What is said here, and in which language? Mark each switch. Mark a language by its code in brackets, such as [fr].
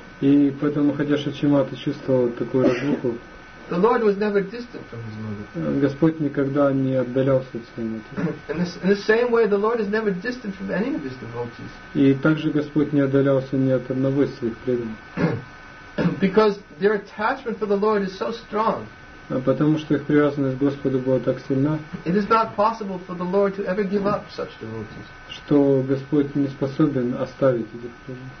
[ru] и поэтому, хотя Сачимата чувствовал такую разлуку, [en] the Lord was never distant from his mother. [ru] Господь никогда не отдалялся от своей матери. [en] In the same way, the Lord is never distant from any of his devotees. [ru] И также Господь не отдалялся ни от одного из своих преданных. [en] Because their attachment for the Lord is so strong. [ru] Потому что их привязанность к Господу была так сильна. [en] It is not possible for the Lord to ever give up such devotees. [ru] Что Господь не способен оставить этих преданных.